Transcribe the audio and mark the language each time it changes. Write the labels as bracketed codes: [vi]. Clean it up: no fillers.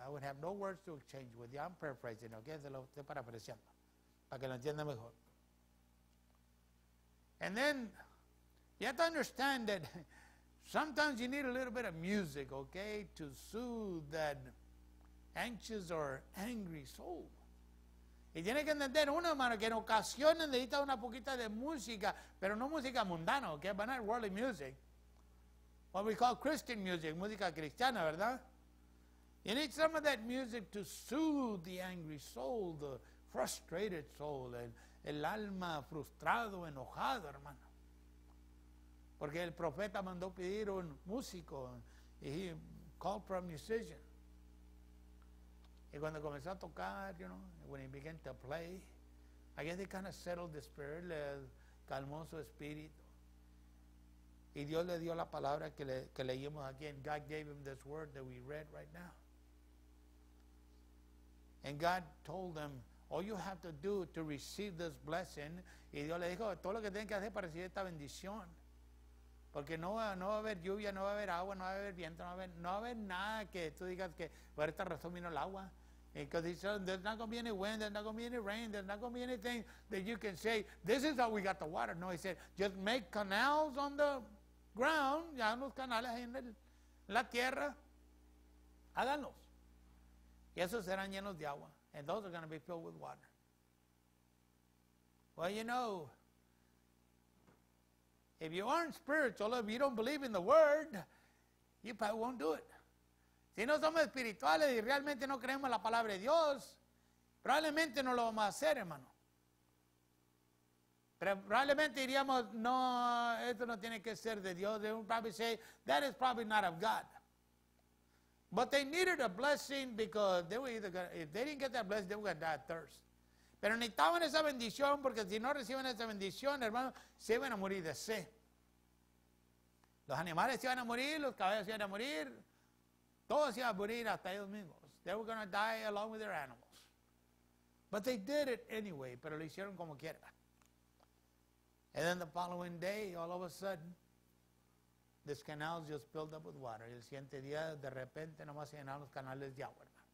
[en] I would have no words to exchange with you. I'm paraphrasing, okay? [es] Se lo estoy parafraseando para que lo entienda mejor. [en] And then, you have to understand that sometimes you need a little bit of music, okay, to soothe that anxious or angry soul. [es] Y tiene que entender uno, hermano, que en ocasiones necesita una poquita de música, pero no música mundana, okay, [en] but not worldly music. What we call Christian music, [es] música cristiana, ¿verdad? [en] You need some of that music to soothe the angry soul, the frustrated soul, [es] el alma frustrado, enojado, hermano. Porque el profeta mandó pedir un músico, y [en] he called for a musician. [es] Y cuando comenzó a tocar, [en] you know, when he began to play, I guess he kind of settled the spirit, [es] le calmó su espíritu. Y Dios le dio la palabra que, le, que leímos aquí. [en] And God gave him this word that we read right now. And God told them, all you have to do to receive this blessing. [es] Y Dios le dijo, todo lo que tienen que hacer para recibir esta bendición. Porque no, no va a haber lluvia, no va a haber agua, no va a haber viento, no va a haber, no va a haber nada que tú digas que por esta razón vino el agua. [en] Because he said, there's not going to be any wind, there's not going to be any rain, there's not going to be anything that you can say, this is how we got the water. No, he said, just make canals on the ground, [es] ya los canales en el, la tierra, háganlos. Y esos serán llenos de agua. [en] And those are going to be filled with water. Well, you know, if you aren't spiritual, if you don't believe in the word, you probably won't do it. [es] Si no somos espirituales y realmente no creemos en la palabra de Dios, probablemente no lo vamos a hacer, hermano. Pero probablemente diríamos, no, esto no tiene que ser de Dios. [en] They would probably say, that is probably not of God. But they needed a blessing because they were either gonna, if they didn't get that blessing, they were going to die of thirst. [es] Pero necesitaban esa bendición porque si no reciben esa bendición, hermano, se iban a morir de sed. Los animales se iban a morir, los caballos se iban a morir. Todos iban a morir hasta ellos mismos. [en] They were going to die along with their animals. But they did it anyway, [es] pero lo hicieron como quiera. [en] And then the following day, all of a sudden, this canal just filled up with water. [es] El siguiente día, de repente, nomás se llenaron los canales de agua.